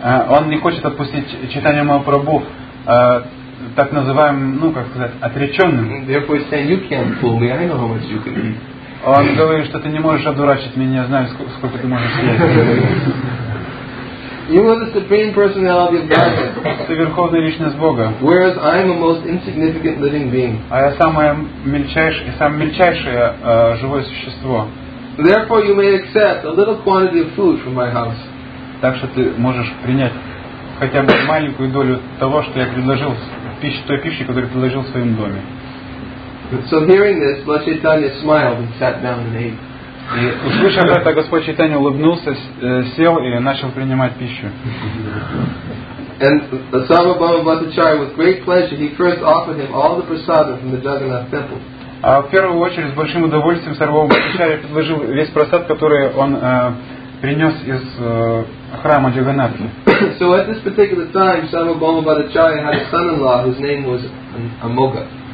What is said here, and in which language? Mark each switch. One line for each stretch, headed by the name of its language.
Russian: Он не хочет отпустить Чайтанья Махапрабху так называемым, ну как сказать, отреченным.
English: Therefore saying you can't fool me, I know how much you can eat.
Russian: Он говорит, что ты не можешь одурачить меня, я знаю, сколько ты можешь съесть.
English: You are the supreme personality of God.
Russian: Ты верховная личность Бога.
English: Whereas I am the most insignificant living being.
Russian: А я самое мельчайшее живое существо.
English: Therefore, you may accept a little quantity of food from my house.
Russian: Так что ты можешь принять хотя бы маленькую долю того, что я предложил той пищи, которую я предложил в своем доме.
English: So hearing this, Lord Chaitanya smiled and sat down and ate.
Russian: Услышав это, Господь Чайтанья улыбнулся, сел и начал принимать пищу.
English: And Sarvabhauma Bhattacharya, with great pleasure, he first offered him all the prasada from the Jagannath temple.
Russian: А в первую очередь с большим удовольствием Сарвабхауму Бхаттачарье предложил весь просад, который он принес из храма Джаганнатхи.
English: So at this particular time, Sarvabhauma Bhattacharya had a son-in-law whose name was Amoga.